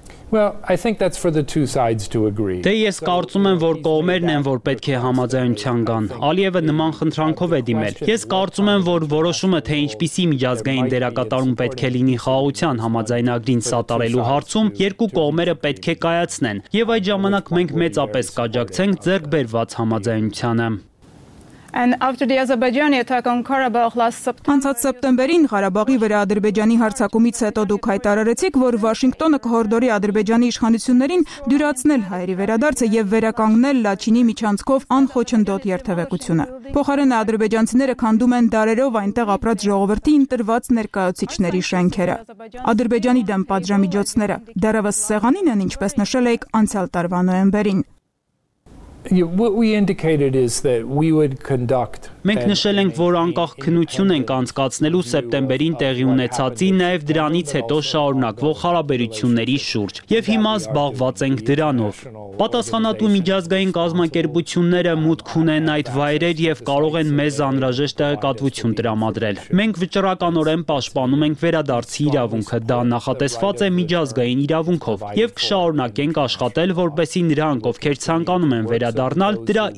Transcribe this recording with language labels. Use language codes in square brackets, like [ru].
[en] Well, I think that's for the two sides to agree. [hy] Դե ես կարծում եմ, որ կողմերն են, որ պետք է համաձայնության գան։ Ալիևը նման խնդրանքով է դիմել։ Ես կարծում եմ, որ որոշումը, թե ինչպիսի միջազգային դերակատարում պետք է լինի խաղաղության համաձայնագրին սատարելու հարցում, երկու կողմերը պետք է կայացնեն, եւ այդ ժամանակ մենք մեծապես կաջակցենք ձեռքբերված համաձայնությանը։ [en] And after the Azerbaijani attack on Karabakh last September. [hy] Անցած սեպտեմբերին Ղարաբաղի վրա Ադրբեջանի հարձակումից հետո դուք հայտարարեցիք, որ Վաշինգտոնը կհորդորի Ադրբեջանի իշխանություններին դյուրացնել հայերի վերադարձը եւ վերականգնել Լաչինի միջանցքով անխոչընդոտ երթևեկությունը։ Փոխարեն ադրբեջանցիները քանդում են դարերով այնտեղ ապրած ժողովրդի ընտրված ներկայացուցիչների շենքերը։ Ադրբեջանի դեմ պատժամիջոցները դեռևս սեղանին են, ինչպես նշել էիք անցյալ տարվա նոյեմբերին։ [en] What we indicated is that we would conduct. [hy] Մենք նշել ենք, որ անկախ քննություն ենք անցկացնելու սեպտեմբերին տեղի ունեցածի, նաև դրանից հետո շարունակվող հարաբերությունների շուրջ, եւ հիմա զբաղված ենք դրանով։ Պատասխանատու միջազգային կազմակերպությունները մուտք ունեն այդ վայրեր եւ կարող են մեզ անհրաժեշտ տեղեկատվություն տրամադրել։ Մենք վճռականորեն պաշտպանում ենք վերադարձի իրավունքը, դա նախատեսված է միջազգային իրավունքով, եւ կշարունակենք աշխատել, որպեսզի նրանք, ովքեր ցանկանում են վերադառնալ, դրա